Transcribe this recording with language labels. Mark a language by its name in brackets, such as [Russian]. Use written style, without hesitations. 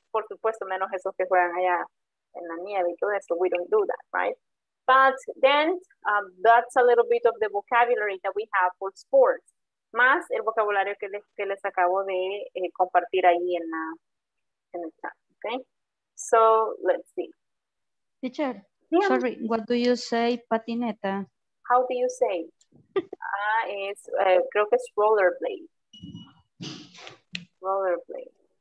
[Spanish] Por supuesto, menos esos que juegan allá en la nieve y todo eso. [English] We don't do that, right? But then that's a little bit of the vocabulary that we have for sports. [Spanish] Más el vocabulario que les acabo de compartir ahí en el chat, okay? [English] So let's see. Teacher, yeah. Sorry, what do you say, patineta? How do you say? [Spanish] creo que es [English] rollerblade. Rollerblade.